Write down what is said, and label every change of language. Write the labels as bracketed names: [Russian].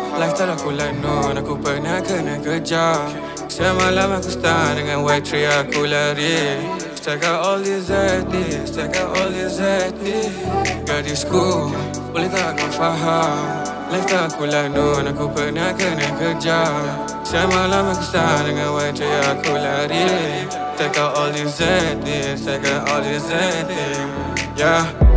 [Malay] Lifestyle aku London, aku pernah kena kejar. Semalam aku start dengan white tree, aku lari. [English] Check out all these artists, check out all these artists. [Malay] Gadisku, boleh tak kau faham? Lifestyle aku London, aku pernah kena kejar. Semalam aku start dengan white tree, aku lari. [English] Check out all these artists, check out all these artists. Yeah.